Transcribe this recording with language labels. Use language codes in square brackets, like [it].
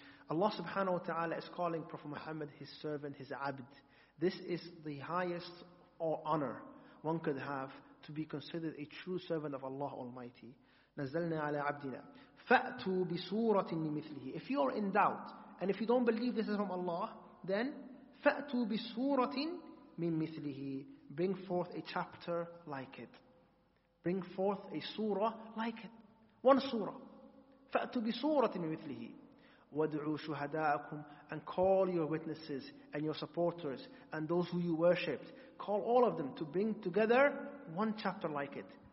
[en] Allah subhanahu wa ta'ala is calling Prophet Muhammad his servant, his abd. This is the highest honor one could have, to be considered a true servant of Allah Almighty. [ar] نَزَّلْنَا عَلَىٰ عَبْدِنَا. فَأْتُوا بِسُورَةٍ مِمِثْلِهِ. [en] If you are in doubt, and if you don't believe this is from Allah, [ar] then فَأْتُوا بِسُورَةٍ مِّن مِثْلِهِ. [en] Bring forth a chapter like it. Bring forth a surah like it. One surah. [ar] فَأْتُوا بِسُورَةٍ مِّن مِثْلِهِ. وَادْعُوا شُهَدَاءَكُمْ. [en] And call your witnesses and your supporters and those who you worshipped. Call all of them to bring together one chapter like it.